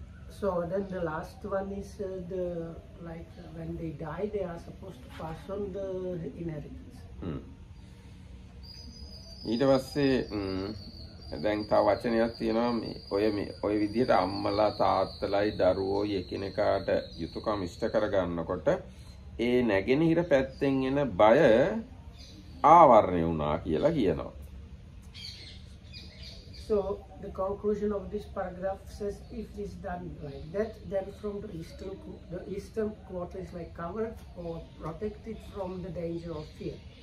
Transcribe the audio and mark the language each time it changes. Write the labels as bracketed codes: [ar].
[en] So then the last one is the like when they die they are supposed to pass on the inheritance. [si] ඊට පස්සේ දැන් තව වචනයක් තියෙනවා මේ ඔය මේ ඔය විදිහට අම්මලා තාත්තලායි දරුවෝ එකිනෙකාට යුතුයකම් ඉෂ්ට කරගන්නකොට ඒ නැගෙනහිර පැත්තෙන් එන බය ආවරණය වුණා කියලා කියනවා. [en] So the conclusion of this paragraph says if this done like that then from the eastern quarter is like covered or protected from the danger of fear.